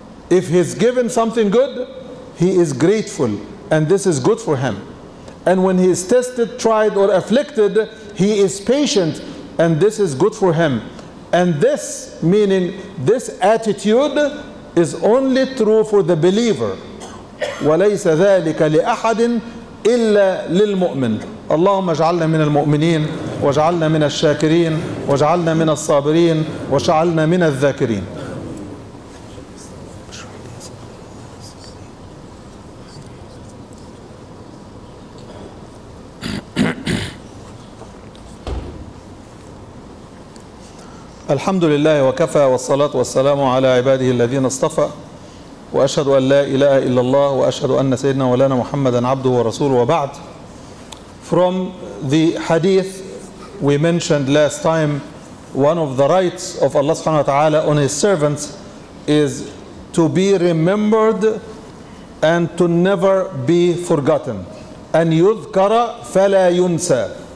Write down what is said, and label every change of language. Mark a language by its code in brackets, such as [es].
[en] If he's given something good, he is grateful, and this is good for him. And when he is tested, tried, or afflicted, he is patient, and this is good for him. And this, meaning this attitude, is only true for the believer. [ar] وَلَيْسَ ذَلِكَ لِأَحَدٍ إِلَّا لِلْمُؤْمِنِ. اللهم اجعلنا من المؤمنين، واجعلنا من الشاكرين، واجعلنا من الصابرين، واجعلنا من الذاكرين. الحمد لله وكفى، والصلاة والسلام على عباده الذين اصطفى، وأشهد أن لا إله إلا الله، وأشهد أن سيدنا ولانا محمدا عبده ورسوله. وبعد، [en] from the hadith we mentioned last time, one of the rights of Allah [ar] سبحانه وتعالى [en] on His servants is to be remembered and to never be forgotten. [ar] أن يذكر فلا ينسى.